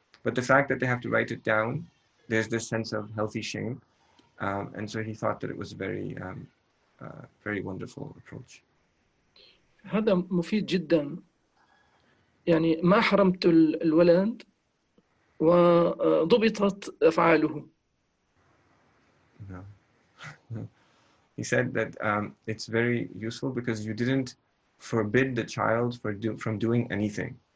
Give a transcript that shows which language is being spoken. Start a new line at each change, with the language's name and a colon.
English: But the fact that they have to write it down, there's this sense of healthy shame. And so he thought that it was a very, very wonderful approach.
Arabic: هذا مفيد جدا. ما حرمت الولد وضبطت أفعاله.
English: He said that it's very useful because you didn't forbid the child from doing anything.